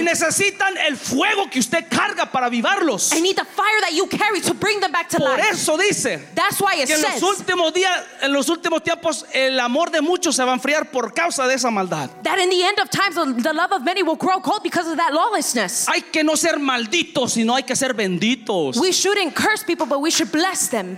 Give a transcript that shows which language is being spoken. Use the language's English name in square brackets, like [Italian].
[Spanish] Y necesitan el fuego que usted carga para avivarlos. [English] I need the fire that you carry to bring them back to [Spanish] por [English] life. [Spanish] Por eso dice. [English] That's why it [Spanish] que [English] says. [Spanish] En los últimos días, en los últimos tiempos, el amor de muchos se va a enfriar por causa de esa maldad. [English] That in the end of times, the love of many will grow cold because of that lawlessness. [Spanish] Hay que no ser malditos, sino hay que ser benditos. [English] We shouldn't curse people, but we should bless them.